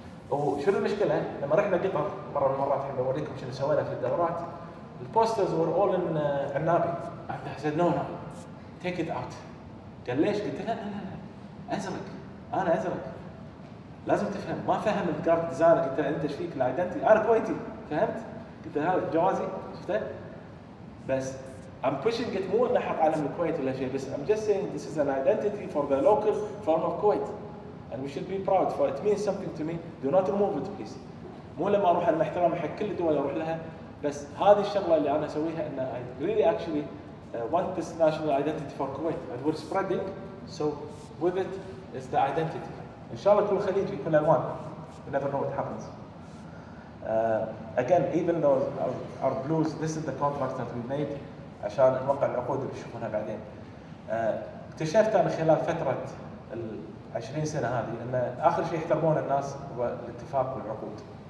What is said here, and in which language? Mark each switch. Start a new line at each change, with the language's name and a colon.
Arabic: وشنو المشكلة؟ لما رحنا قطر مرة من المرات حين بوريكم شنو سوينا في الدورات.
English: البوسترز were all in عنابي. عبد الحسين نونا. Take it out.
Arabic: قال ليش؟ قلت لا لا لا. أزرق. أنا أزرق. لازم تفهم. ما فهم الجرافيك ديزاينر. قلت له أنت إيش فيك الأيدنتي؟ أنا كويتي. فهمت؟ قلت له هذا جوازي. شفته؟ بس.
English: I'm pushing it more than
Arabic: حق علم الكويت ولا شيء. بس
English: I'm just saying this is an identity for the local form of Kuwait, and we should be proud. For it means something to me. Do not remove it, please.
Arabic: مو لما أروح المحترم حق كل دول أروح لها. بس هذه الشغلة اللي أنا أسويها إن
English: I really actually want this national identity for Kuwait, and we're spreading. So with it is the identity.
Arabic: إن شاء الله كل خليج يكون ألوان.
English: We never know what happens. Again, even though our blues, this is the contract that we made.
Arabic: عشان نوقع العقود اللي بيشوفونها بعدين. اكتشفت أنا خلال فترة العشرين سنة هذه أن آخر شيء يحترمون الناس هو الاتفاق والعقود.